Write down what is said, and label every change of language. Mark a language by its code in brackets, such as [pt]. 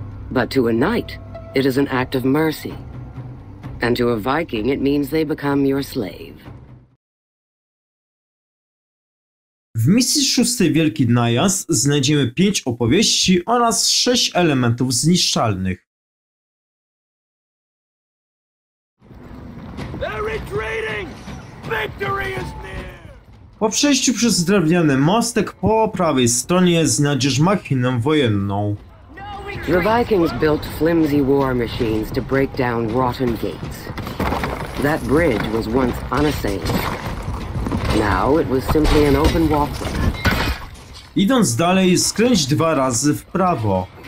[en] But to a knight, it is an act of mercy. And to a Viking, it means they become your slave. [pl] W misji szóstej Wielki Najazd znajdziemy 5 opowieści oraz 6 elementów zniszczalnych. Po przejściu przez drewniany mostek po prawej stronie znajdziesz machinę wojenną. [en] The Vikings built flimsy war machines to break down rotten gates. That bridge was once unassailed. Now it was simply an open walkway. [pl] Idąc dalej, skręć dwa razy w prawo.